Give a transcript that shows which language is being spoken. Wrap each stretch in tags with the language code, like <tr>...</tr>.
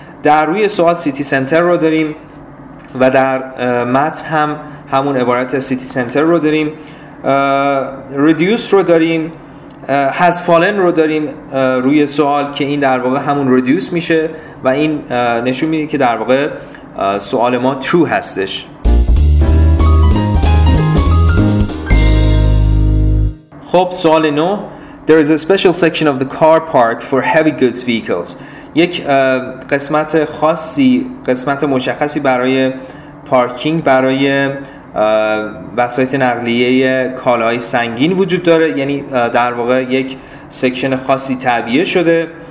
<fa>در روی سوال سیتی سنتر رو داریم و در متن هم همون عبارت سیتی سنتر رو داریم. reduce رو داریم، has fallen رو داریم روی سوال که این در واقع همون reduce میشه و این نشون میده که در واقع سوال ما true هستش.</fa> <en>خب سوال 9: There is a special section of the car park for heavy goods vehicles.</en> <fa>یک قسمت خاصی، قسمت مشخصی برای پارکینگ برای وسایل نقلیه کالاهای سنگین وجود داره. یعنی در واقع یک سکشن خاصی تعبیه شده</fa>